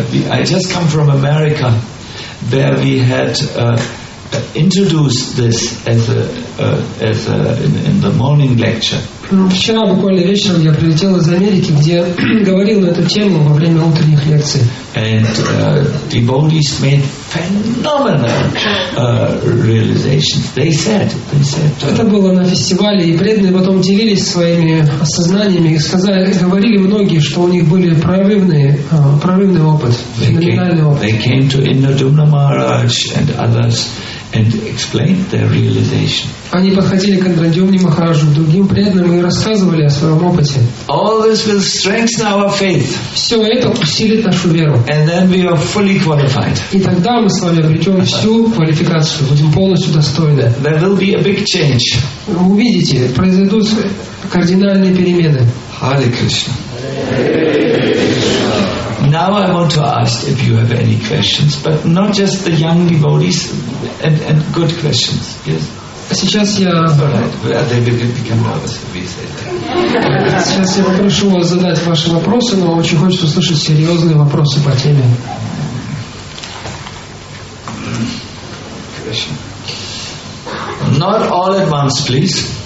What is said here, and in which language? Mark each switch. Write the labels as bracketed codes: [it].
[en] I just come from America, where we had introduced this as a in the morning lecture. [ru] Вчера буквально вечером я прилетел из Америки, где говорил на эту тему во время утренних лекций. [en] And devotees made phenomenal realizations. They said. [ru] Это было на фестивале, и преданные потом делились своими осознаниями и сказали, говорили многие, что у них были прорывный опыт, феноменальный опыт. [en] They came to Indradumna Maharaj and others and explained their realization. [ru] Они подходили к Индрадюмне Махараджу, другим преданным, и рассказывали о своем опыте. [en] All this will strengthen our faith. [ru] Все это усилит нашу веру. [en] And then we are fully qualified. [ru] И тогда мы с вами обретем всю квалификацию, будем полностью достойны. [en] There will be a big change. [ru] Вы увидите, произойдут кардинальные перемены. [sa] Hare Krishna. [en] Now I want to ask if you have any questions, but not just the young devotees, and good questions. Yes. [ru] Сейчас я. Сейчас я попрошу вас задать ваши вопросы, но очень хочется услышать серьезные вопросы по теме. [en] Not all at once, please.